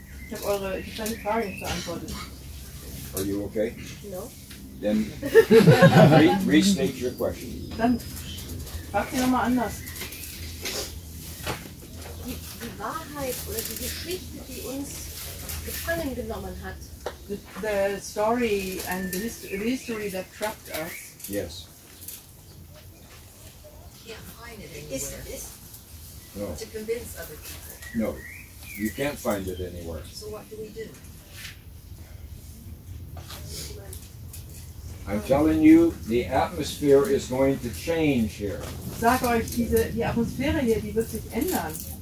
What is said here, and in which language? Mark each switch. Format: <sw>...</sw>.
<de>Ich habe deine Frage nicht beantwortet.</de> <en>Are you okay? No. Then restate your question.</en> <de>Dann frag sie nochmal anders. Die Wahrheit oder die Geschichte, die uns gefangen genommen hat.</de> <en>The story and the history that trapped us. Yes. Can't find it anywhere. To convince other people. No, you can't find it anywhere. So what do we do? I'm telling you, the atmosphere is going to change here.</en> <de>Sag euch, die Atmosphäre hier, die wird sich ändern.</de>